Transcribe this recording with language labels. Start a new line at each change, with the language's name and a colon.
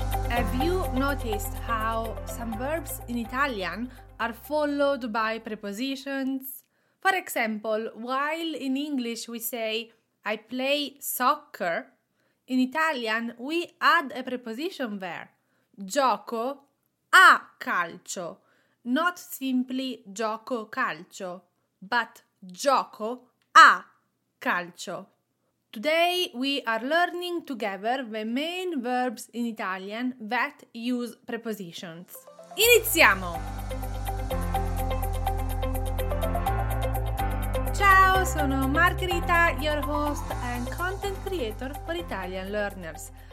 English: Have you noticed how some verbs in Italian are followed by prepositions? For example, while in English we say I play soccer, in Italian we add a preposition there.
Italian: Gioco a calcio.
English: Not simply
Italian: gioco calcio,
English: but
Italian: gioco a calcio.
English: Today we are learning together the main verbs in Italian that use prepositions.
Italian: Iniziamo! Ciao, sono
English: Margherita, your host and content creator for Italian learners.